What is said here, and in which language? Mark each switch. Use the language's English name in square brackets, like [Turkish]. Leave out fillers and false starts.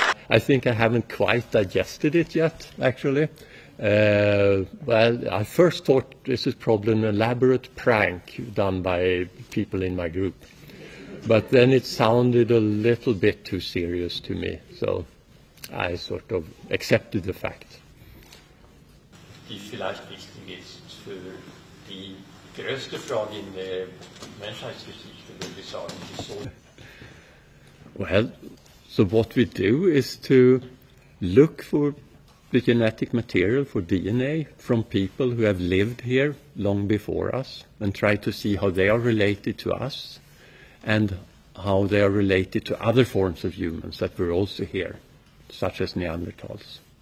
[English] I think I haven't quite digested it yet, actually. Well, I first thought this is probably an elaborate prank done by people in my group. But then it sounded a little bit too serious to me, so I sort of accepted the fact. [German] Die vielleicht wichtig ist für die größte Frage in der Menschheitsgeschichte, wenn wir sagen, die Sonne. [English] Well, so what we do is to look for the genetic material for DNA from people who have lived here long before us and try to see how they are related to us and how they are related to other forms of humans that were also here, such as Neanderthals.